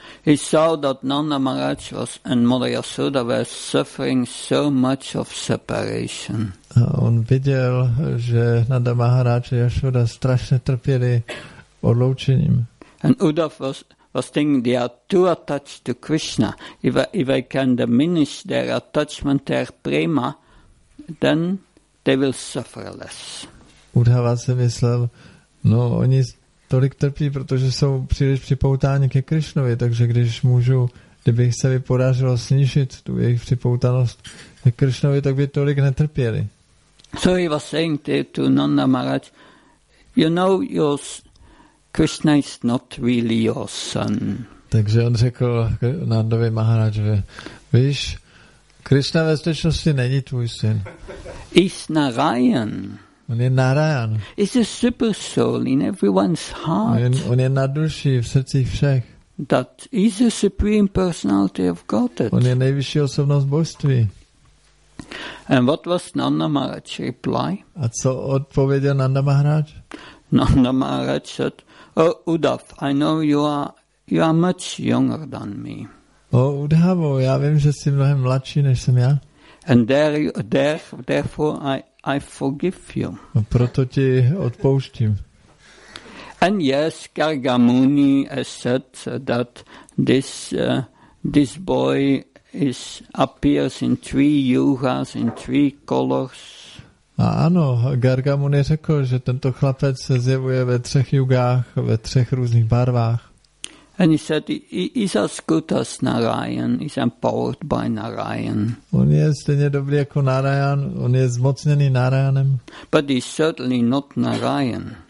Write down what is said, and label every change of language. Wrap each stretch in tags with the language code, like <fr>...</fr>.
<en>He saw that Nanda Maharaj and Mother Yasoda were suffering so much of separation.</en> <cs>A on viděl, že Nanda Maharaj a Yasoda strašně trpěli odloučením.</cs> <en>And Uddhav was thinking they are too attached to Krishna. If I can diminish their attachment, their prema, then they will suffer less.</en> <cs>Uddhava si myslel, no oni tolik trpí, protože jsou příliš připoutáni ke Krišnovi, takže když můžu, kdybych se podařilo snížit tu jejich připoutanost ke Krišnovi, tak by tolik netrpěli.</cs> <en>So he was saying to Nanda Maharaj, you know, Krishna is not really your son.</en> <cs>Takže on řekl Nandovi Maharajovi, víš, Krišna ve skutečnosti není tvůj syn.</cs> <en>He's Narayan.</en> <cs>On je Narayan.</cs> <en>It's a super soul in everyone's heart.</en> <cs>On je na duši v srdcích všech.</cs> <en>That is the supreme personality of Godhead.</en> <cs>On je nejvyšší osobnost božství.</cs> <en>And what was Nanda Maharaj's reply?</en> <cs>A co odpověděl Nanda Maharaj?</cs> <en>Nanda Maharaj said, "Oh Uddhav, I know you are much younger than me."</en> <cs>Oh Uddhavo, já vím, že jsi mnohem mladší než jsem já.</cs> <en>And therefore I forgive you.</en> <cs>A proto ti odpouštím.</cs> <en>And yes, Garga Muni has said that this boy appears in three yugas, in three colors.</en> <cs>A ano, Garga Muni řekl, že tento chlapec se zjevuje ve třech jugách, ve třech různých barvách.</cs> <en>And he said he's as good as Narayan, he's empowered by Narayan.</en> <cs>On je stejně dobrý jako Narayan, on je zmocněný Narayanem.</cs> <en>But he's certainly not Narayan.</en>